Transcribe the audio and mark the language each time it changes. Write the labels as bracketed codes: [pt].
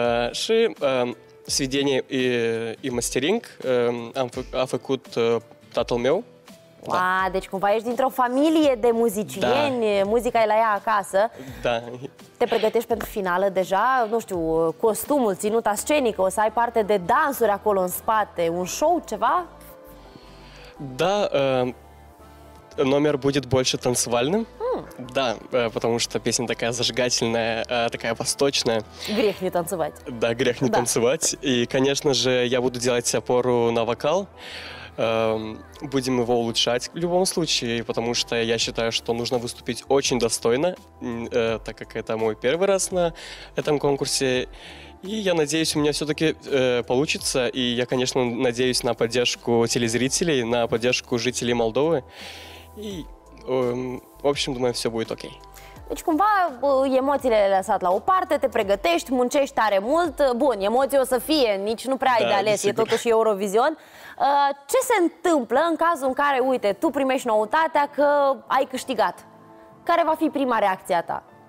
[ro] Și svidenie și mastering a făcut tatăl meu. Da. A, deci cumva ești dintr-o familie de muzicieni, da. Muzica e la ea acasă. Da. Te pregătești pentru finală deja, nu știu, costumul, ținuta scenică, o să ai parte de dansuri acolo în spate, un show, ceva? [ru] Da, номер будет больше танцевальным. Да, потому что песня такая зажигательная, такая восточная. Грех не танцевать. Да, грех не танцевать. И, конечно же, я буду делать опору на вокал. Будем его улучшать в любом случае, потому что я считаю, что нужно выступить очень достойно, так как это мой первый раз на этом конкурсе. И я надеюсь, у меня все-таки получится. И я, конечно, надеюсь на поддержку телезрителей, на поддержку жителей Молдовы. И, в общем, думаю, все будет окей. [ro] Deci cumva emoțiile le-ai lăsat la o parte, te pregătești, muncești tare mult. Bun, emoții o să fie, nici nu prea ai de ales, desigur. E totuși Eurovision. Ce se întâmplă în cazul în care, uite, tu primești noutatea că ai câștigat? Care va fi prima reacție a ta?